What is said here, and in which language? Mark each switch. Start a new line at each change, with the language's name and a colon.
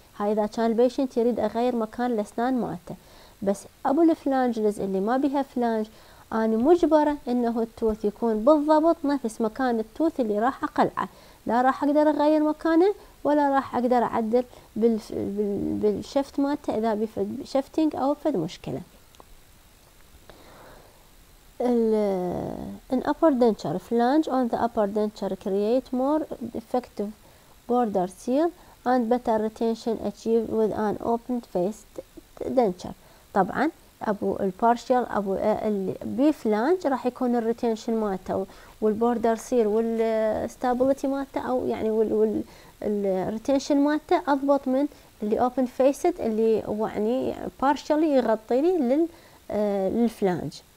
Arabic: هاي إذا كان البيشنت يريد أغير مكان الأسنان مالته، بس أبو الفلانجز اللي ما بيها فلانج أنا مجبرة إنه التوث يكون بالضبط نفس مكان التوث اللي راح أقلعه، لا راح أقدر أغير مكانه ولا راح أقدر أعدل بالشفت مالته إذا بيفد شفتينج أو فد مشكلة.
English: An upper denture flange on the upper denture create more effective border seal and better retention achieved with an open faced denture.
Arabic: طبعا أبو البارشل أبو البي فلانج راح يكون الريتينشن مالته والبوردر سيل والستابلتي مالته، أو يعني الريتينشن مالته أضبط من اللي أوبن فيسد اللي هو يعني بارشلي يغطي لي للفلانج.